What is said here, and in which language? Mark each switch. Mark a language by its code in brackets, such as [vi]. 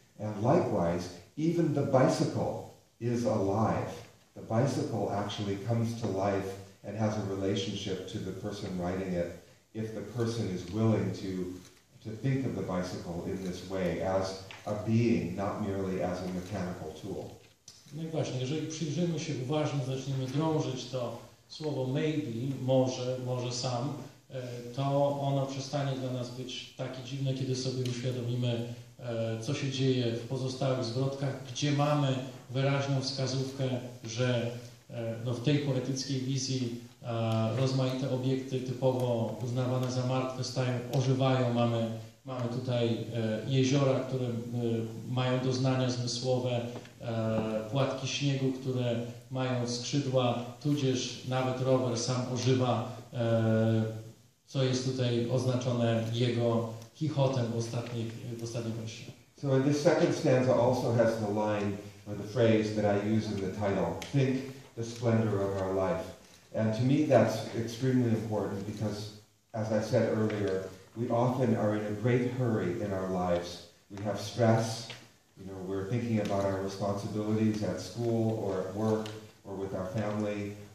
[en] And likewise, even the bicycle is alive. The bicycle actually comes to life and has a relationship to the person riding it, if the person is willing to think of the bicycle in this way, as a being, not merely as a mechanical tool. [pl] No właśnie, jeżeli przyjrzymy się uważnie, zaczniemy drążyć to słowo maybe, może, może sam, to ono przestanie dla nas być takie dziwne, kiedy sobie uświadomimy, co się dzieje w pozostałych zwrotkach, gdzie mamy wyraźną wskazówkę, że no, w tej poetyckiej wizji rozmaite obiekty typowo uznawane za martwe stają, ożywają. Mamy tutaj jeziora, które mają doznania zmysłowe, płatki śniegu, które mają skrzydła, tudzież nawet rower sam ożywa, co jest tutaj oznaczone jego chichotem w ostatnim wersie. [en] So in this second stanza also has the line, or the phrase that I use in the title, think the splendor of our life. And to me that's extremely important because, as I said earlier, we often are in a great hurry in our lives. We have stress, you know, we're thinking about our responsibilities at school or at work or with our family.